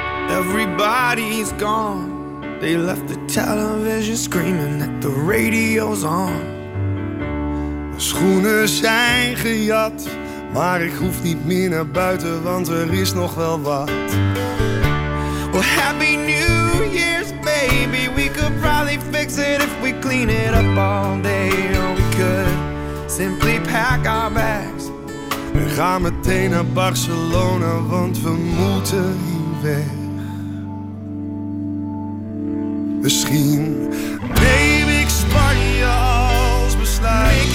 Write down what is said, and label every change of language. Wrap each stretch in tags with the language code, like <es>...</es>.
<en>Everybody's gone. They left the television screaming that the radio's on.</en> <nl>Schoenen zijn gejat, maar ik hoef niet meer naar buiten, want er is nog wel wat.</nl> <en>Well, happy New Year's, baby. We could probably fix it if we clean it up all day. Or we could simply pack our bags.</en> <nl>We gaan meteen naar Barcelona, want we moeten hier weg. Misschien neem ik Spanje als besluit.</nl>